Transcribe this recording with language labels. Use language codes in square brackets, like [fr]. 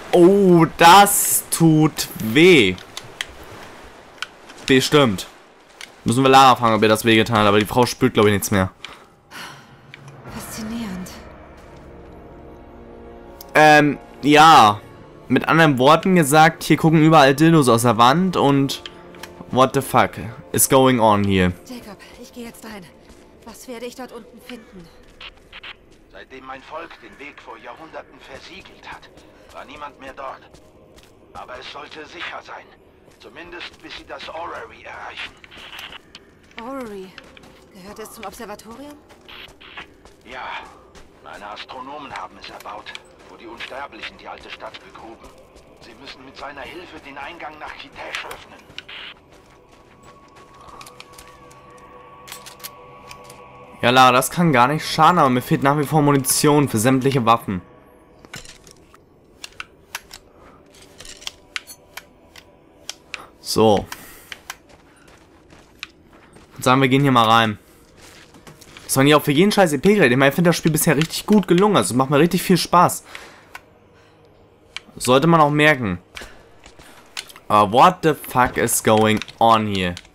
[de] Oh, das tut weh. Bestimmt. Müssen wir Lara fragen, ob ihr das wehgetan hat. Aber die Frau spürt, glaube ich, nichts mehr. Faszinierend. Ja. Mit anderen Worten gesagt, hier gucken überall Dildos aus der Wand und... [en] What the fuck is going on here? [de] Jacob, ich gehe jetzt rein. Was werde ich dort unten finden? Seitdem mein Volk den Weg vor Jahrhunderten versiegelt hat, war niemand mehr dort. Aber es sollte sicher sein. Zumindest bis sie das Orrery erreichen. Orrery? Gehört es zum Observatorium? Ja. Meine Astronomen haben es erbaut, wo die Unsterblichen die alte Stadt begruben. Sie müssen mit seiner Hilfe den Eingang nach Kitesh öffnen. Ja, Lara, das kann gar nicht schaden, aber mir fehlt nach wie vor Munition für sämtliche Waffen. So. Und sagen wir, gehen hier mal rein. Das waren ja auch für jeden scheiß EP-Gerät. Ich meine, ich finde das Spiel bisher richtig gut gelungen. Also macht mir richtig viel Spaß. Sollte man auch merken. Aber [en] what the fuck is going on here?